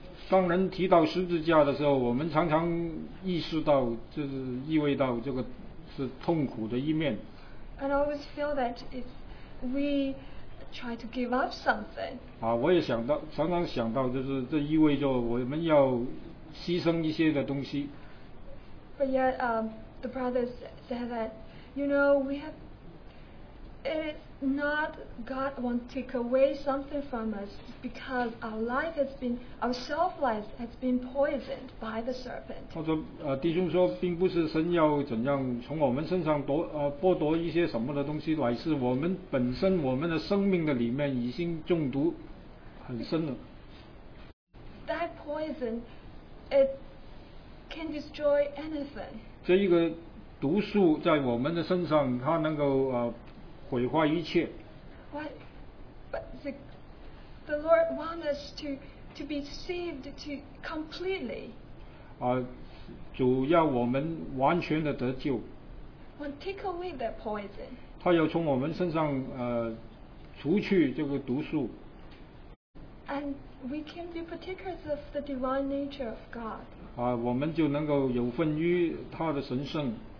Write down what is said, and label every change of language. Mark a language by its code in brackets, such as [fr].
[zh] 当人提到十字架的时候，我们常常意识到，就是意味到这个是痛苦的一面。 [en] And I always feel that it's we try to give up something. [zh] 啊，我也想到，常常想到，就是这意味着我们要牺牲一些的东西。 [en] But yet, the brothers said that, you know, we have. It is not God want to take away something from us because our life has been, our self life has been poisoned by the serpent. [zh] 他说，弟兄说，并不是神要怎样从我们身上夺剥夺一些什么的东西，乃是我们本身我们的生命的里面已经中毒很深了。 [en] That poison, it can destroy anything. [zh] 这一个毒素在我们的身上，它能够毁坏一切。 [en] What? But the Lord wants us to be saved to completely. [zh] 啊，主要我们完全的得救。 [en] Want to take away that poison? [zh] 他要从我们身上除去这个毒素。 [en] And we can be partakers of the divine nature of God. [zh] 啊，我们就能够有份于他的神圣。